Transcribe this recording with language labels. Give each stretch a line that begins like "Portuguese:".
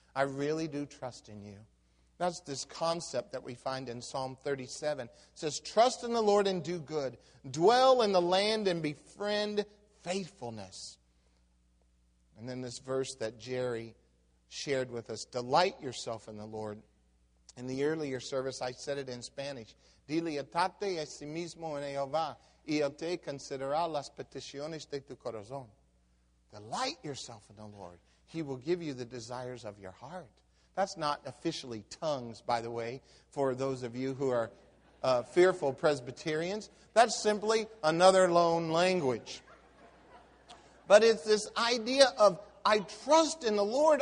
English: I really do trust in you. That's this concept that we find in Psalm 37. It says, trust in the Lord and do good. Dwell in the land and befriend faithfulness. And then this verse that Jerry shared with us, delight yourself in the Lord. In the earlier service, I said it in Spanish.
Spanish: Deleítate a sí mismo en Jehová, y Él te concederá las peticiones de tu corazón.
English: Delight yourself in the Lord. He will give you the desires of your heart. That's not officially tongues, by the way, for those of you who are fearful Presbyterians. That's simply another loan language. But it's this idea of, I trust in the Lord.